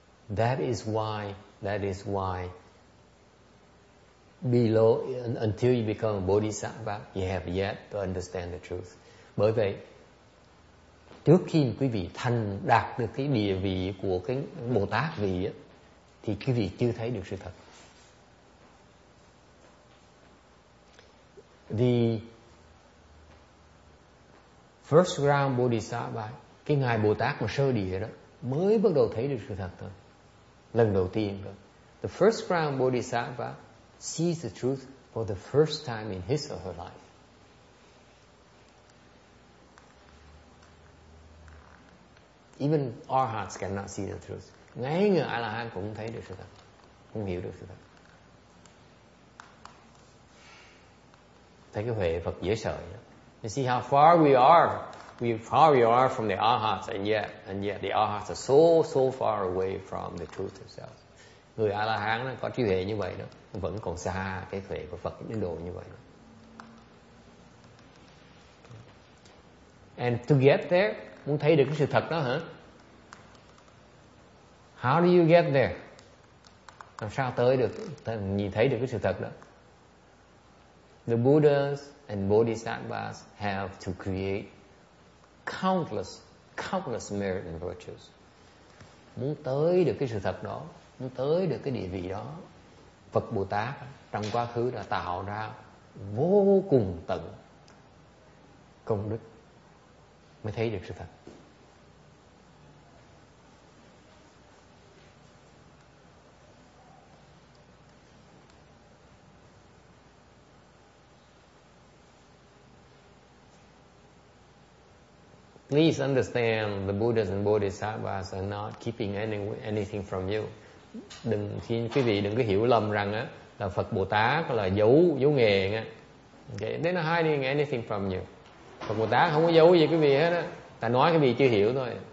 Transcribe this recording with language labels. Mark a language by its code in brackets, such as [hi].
[en] That is why below, until you become a bodhisattva, you have yet to understand the truth. [vi] Bởi vậy, trước khi quý vị thành đạt được cái địa vị của cái Bồ Tát vị á, thì quý vị chưa thấy được sự thật. [en] The First round Bodhisattva, [vi] cái ngài Bồ Tát mà sơ địa đó mới bắt đầu thấy được sự thật thôi, lần đầu tiên đó. [en] The first round Bodhisattva sees the truth for the first time in his or her life. Even Arhats cannot see the truth. [vi] Ngay người A-la-hán cũng thấy được sự thật, không hiểu được sự thật. Thấy cái huệ Phật dễ sợ đó. [en] You see how far we are. We far we are from the Arhats, and yet the Arhats are so far away from the truth itself. [vi] Người A-la-hán có trí huệ như vậy đó, vẫn còn xa cái huệ của Phật Ấn Độ như vậy đó. [en] And to get there, [vi] muốn thấy được cái sự thật đó hả? [en] How do you get there? [vi] Làm sao tới được, nhìn thấy được cái sự thật đó? [en] The Buddhas and Bodhisattvas have to create countless merit and virtues. [vi] Muốn tới được cái sự thật đó, muốn tới được cái địa vị đó, Phật Bồ Tát trong quá khứ đã tạo ra vô cùng tận công đức mới thấy được sự thật. [en] Please understand, the Buddhas and Bodhisattvas are not keeping anything from you. [vi] Đừng khi quý vị đừng có hiểu lầm rằng á là Phật Bồ Tát là giấu nghề nghe. [en] Okay, they're not hiding anything from you. [vi] Phật Bồ Tát không có giấu gì quý vị hết á, ta nói quý vị chưa hiểu thôi.